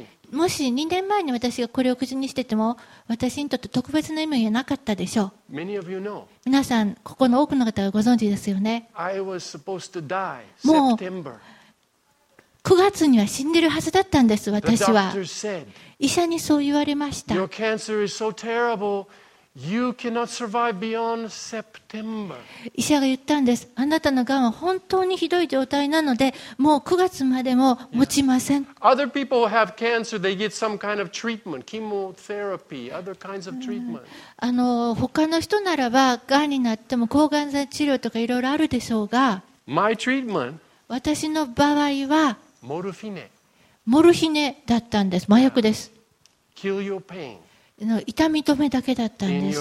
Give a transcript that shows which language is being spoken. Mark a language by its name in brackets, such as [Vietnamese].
[Japanese] もし2年前に私がこれを口にしてても、私にとって特別な意味はなかったでしょう。 [English] Many of you know. [Japanese] 皆さん、ここの多くの方がご存知ですよね。 [English] I was supposed to die September. [Japanese] もう、9月には死んでるはずだったんです、私は。 [English] The doctor said, [Japanese] 医者にそう言われました。 [English] Your cancer is so terrible, you cannot survive beyond September. [Japanese] 医者が言ったんです。あなたのがんは本当にひどい状態なので、もう9月までも持ちません。 [English] Yes. Other people have cancer, they get some kind of treatment, chemotherapy, other kinds of treatment. [Japanese] 他の人ならば、がんになっても抗がん剤治療とかいろいろあるでしょうが、 [English] My treatment, [Japanese] 私の場合は、モルフィネ。モルヒネだったんです。麻薬です。 [English] Kill your pain. [Japanese] 痛み止めだけだったんです。